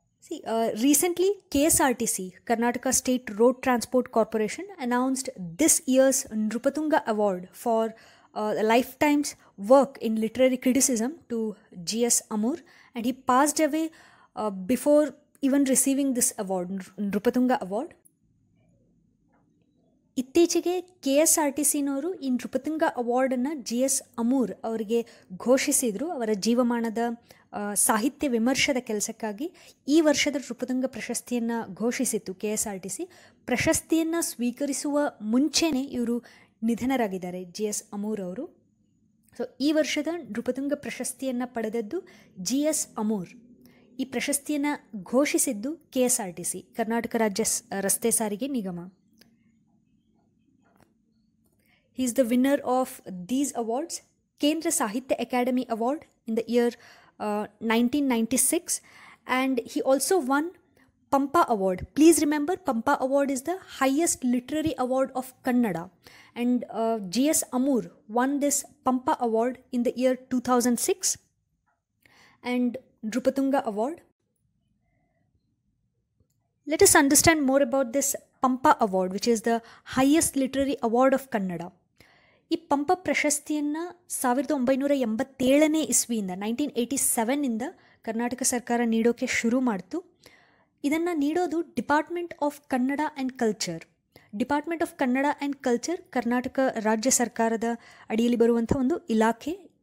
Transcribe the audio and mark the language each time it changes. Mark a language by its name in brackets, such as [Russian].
[English] Recently, KSRTC, Karnataka State Road Transport Corporation, announced this year's Nrupatunga Award for a lifetime's work in literary criticism to G.S. Amur, and he passed away before even receiving this award, Nrupatunga Award. [Kannada] ಇತ್ತೀಚೆಗೆ K S R T ಸಿನವರು ಈ Nrupatunga ಅವಾರ್ಡನ್ನು G S Amur ಅವರಿಗೆ ಘೋಷಿಸಿದರು ಅವರ ಜೀವಮಾನದ ಸಾಹಿತ್ಯ ವಿಮರ್ಶದ ಕೆಲಸಕ್ಕಾಗಿ. ಈ ವರ್ಷದ ನೃಪತುಂಗ ಪ್ರಶಸ್ತಿಯನ್ನು ಘೋಷಿಸಿತ್ತು K S R T C. ಪ್ರಶಸ್ತಿಯನ್ನು ಸ್ವೀಕರಿಸುವ ಮುಂಚೆಯೇ ಇವರು ನಿಧನರಾಗಿದ್ದಾರೆ, ಜಿ ಎಸ್ ಅಮೂರ್ ಅವರು. ಸೊ ಈ ವರ್ಷದ ನೃಪತುಂಗ ಪ್ರಶಸ್ತಿಯನ್ನು ಪಡೆದದ್ದು ಜಿ ಎಸ್ ಅಮೂರ್. ಈ ಪ್ರಶಸ್ತಿಯನ್ನು ಘೋಷಿಸಿದ್ದು K S R T C, Karnataka ರಾಜ್ಯ ರಸ್ತೆ ಸಾರಿಗೆ ನಿಗಮ. [English] He is the winner of these awards, Kendra Sahitya Academy Award in the year 1996, and he also won Pampa Award. Please remember, Pampa Award is the highest literary award of Kannada, and G.S. Amur won this Pampa Award in the year 2006 and Nrupatunga Award. Let us understand more about this Pampa Award, which is the highest literary award of Kannada. [Kannada] ಈ ಪಂಪ ಪ್ರಶಸ್ತಿಯನ್ನು 1987 ಕರ್ನಾಟಕ ಸರ್ಕಾರ ನೀಡೋಕ್ಕೆ ಶುರು ಮಾಡಿತು. ಇದನ್ನು ನೀಡೋದು department of Kannada and culture. Department of Kannada and culture Karnataka ರಾಜ್ಯ ಸರ್ಕಾರದ ಅಡಿಯಲ್ಲಿ ಬರುವಂಥ ಒಂದು ಇಲಾಖೆ.